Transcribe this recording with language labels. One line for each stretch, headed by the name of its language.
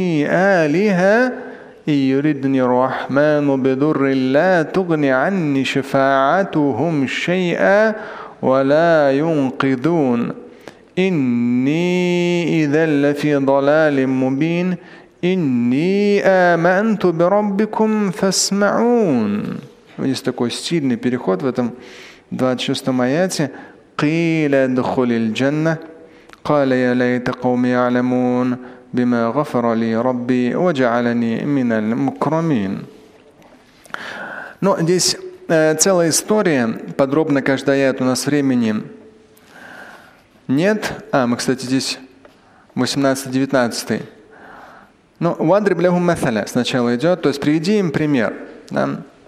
Arabic: آلهة إن يردني الرحمن بضر لا تغني عني شفاعتهم شيئا ولا ينقذون إني إذا لفي ضلال مبين إني آمنت بربكم فاسمعون.
Russian: Есть такой стильный переход в этом 26-м аяте.
Arabic: قيل ادخل الجنة قال يا ليت قومي يعلمون بما غفر لي ربي وجعلني من المكرمين.
Russian: Но здесь целая история, подробно каждый аят, у нас времени нет. А, мы, кстати, здесь 18-19. Но «Вадриб лехум мэтэля» сначала идет, то есть приведи им пример. Да?